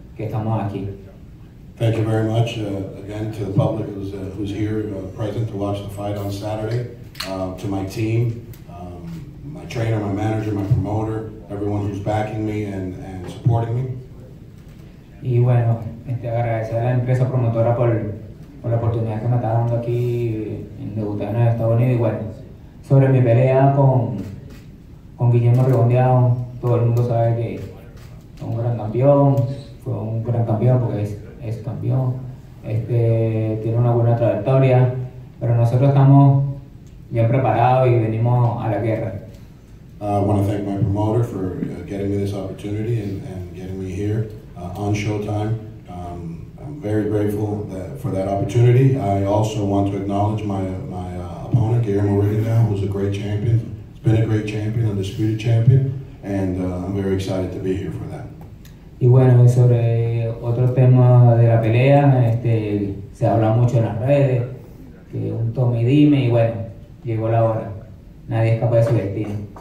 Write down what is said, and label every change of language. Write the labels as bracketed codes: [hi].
[en] Thank you very much again to the public who's here present to watch the fight on Saturday, to my team, my trainer, my manager, my promoter, everyone who's backing me and supporting me. [es] Y bueno, agradecer a la empresa promotora por la oportunidad que me está dando aquí en debutar en Estados Unidos. Y bueno, sobre mi pelea con Guillermo Rigondeaux, todo el mundo sabe que es un gran campeón. Fue un gran campeón porque es campeón. Este tiene una buena trayectoria, pero nosotros estamos bien preparados y venimos a la guerra. [en] I want to thank my promoter for getting me this opportunity and getting me here on Showtime. I'm very grateful for that opportunity. I also want to acknowledge my opponent, Guillermo Rigondeaux, who's a great champion. He's been a great champion, undisputed champion, and I'm very excited to be here for that. [es] Y bueno, sobre otro tema de la pelea, se habla mucho en las redes, que un tome y dime, y bueno, llegó la hora. Nadie es capaz de su destino.